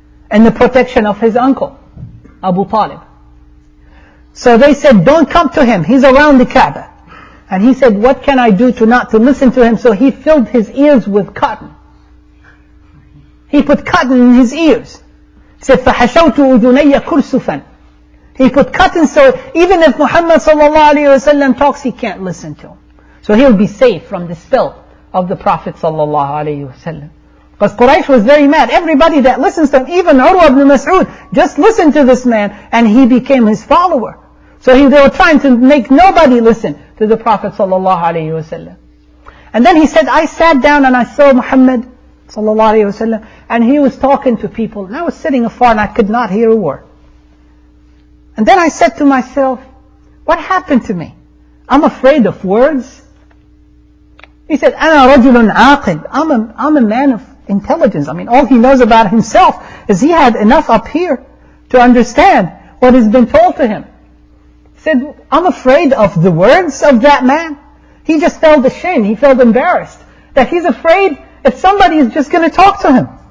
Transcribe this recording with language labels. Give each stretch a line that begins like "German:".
English: And the protection of his uncle, Abu Talib. So they said, don't come to him. He's around the Kaaba. And he said, what can I do to not to listen to him? So he filled his ears with cotton. He put cotton in his ears. He said,
Arabic: فَحَشَوْتُ أُذُنَيَّ كُرْسُفًا.
English: He put cotton so even if Muhammad sallallahu alayhi wa sallam talks, he can't listen to him. So he'll be safe from the spell of the Prophet sallallahu alayhi wa sallam. Because Quraysh was very mad. Everybody that listens to him, even Urwa ibn Mas'ud, just listened to this man and he became his follower. So they were trying to make nobody listen to the Prophet sallallahu alayhi wa sallam. And then he said, I sat down and I saw Muhammad sallallahu alayhi wa sallam, and he was talking to people, and I was sitting afar, and I could not hear a word. And then I said to myself, what happened to me? I'm afraid of words. He said,
Arabic: أَنَا رَجُلٌ عَاقِلٌ.
English: I'm a man of intelligence. I mean, all he knows about himself is he had enough up here to understand what has been told to him. He said, I'm afraid of the words of that man. He just felt ashamed, he felt embarrassed, that he's afraid if somebody is just going to talk to him.